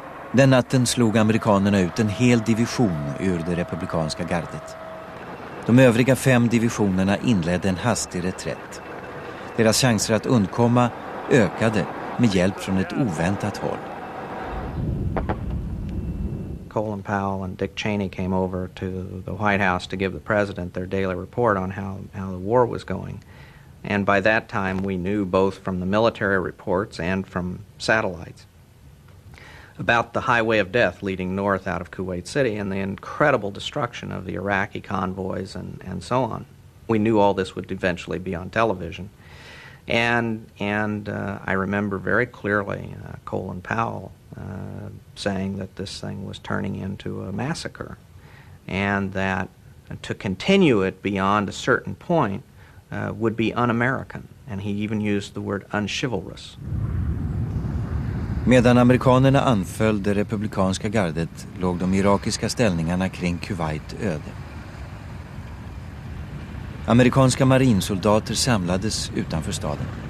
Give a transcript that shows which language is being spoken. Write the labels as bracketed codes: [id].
[sv] Den natten slog amerikanerna ut en hel division ur det republikanska gardet. De övriga 5 divisionerna inledde en hastig reträtt. Deras chanser att undkomma ökade med hjälp från ett oväntat håll. [en] Colin Powell and Dick Cheney came over to the White House to give the president their daily report on how the war was going. And by that time we knew both from the military reports and from satellites about the highway of death leading north out of Kuwait City and the incredible destruction of the Iraqi convoys and so on. We knew all this would eventually be on television. And I remember very clearly Colin Powell saying that this thing was turning into a massacre and that to continue it beyond a certain point would be un-American. And he even used the word unchivalrous. [sv] Medan amerikanerna anföll det republikanska gardet låg de irakiska ställningarna kring Kuwait öde. Amerikanska marinsoldater samlades utanför staden.